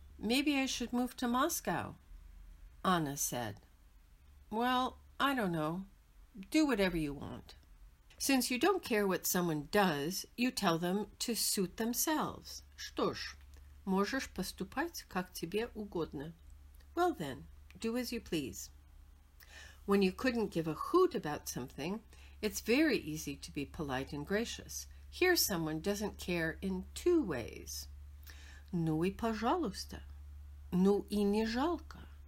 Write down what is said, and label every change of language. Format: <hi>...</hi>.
<en>Maybe I should move to Moscow, Anna said. Well, I don't know. Do whatever you want. Since you don't care what someone does, you tell them to suit themselves.</en> <ru>Что ж, можешь поступать, как тебе угодно.</ru> <en>Well then, do as you please. When you couldn't give a hoot about something, it's very easy to be polite and gracious. Here someone doesn't care in two ways.</en> <ru>Ну и пожалуйста. Ну и не жалко.</ru>